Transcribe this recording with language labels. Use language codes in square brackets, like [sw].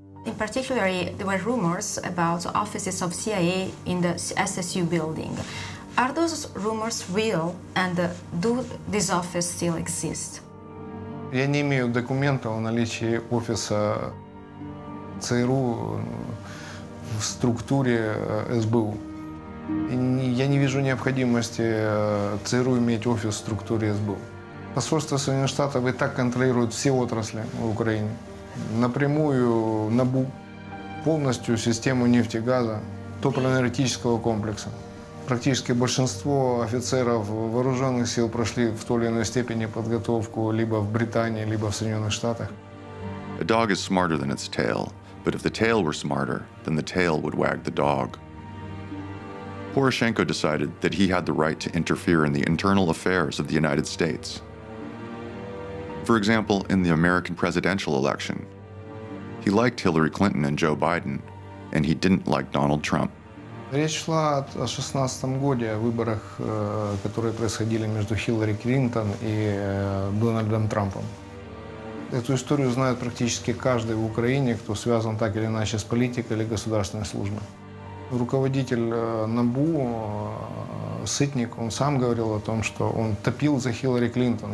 [en] In particular, there were rumors about offices of CIA in the SSU building. Are those rumors real, and do these offices still exist? I don't have any documents on the office of CRU in the structure of SBU. [ru] Я не вижу необходимости ЦРУ иметь офис в структуре СБУ. Посольство Соединенных Штатов и так контролирует все отрасли в Украине. Напрямую НАБУ, полностью систему нефтегаза, топливно-энергетического комплекса. Практически большинство офицеров вооруженных сил прошли в той или иной степени подготовку либо в Британии, либо в Соединенных Штатах. [en] A dog is smarter than its tail, but if the tail were smarter, then the tail would wag the dog. Poroshenko decided that he had the right to interfere in the internal affairs of the United States. For example, in the American presidential election, he liked Hillary Clinton and Joe Biden, and he didn't like Donald Trump. [ru] Речь шла о 2016 году, о выборах, которые происходили между Хиллари Клинтон и Дональдом Трампом. Эту историю знает практически каждый в Украине, кто связан так или иначе с политикой или государственной службой. Руководитель НАБУ, Сытник, он сам говорил о том, что он топил за Хиллари Клинтон.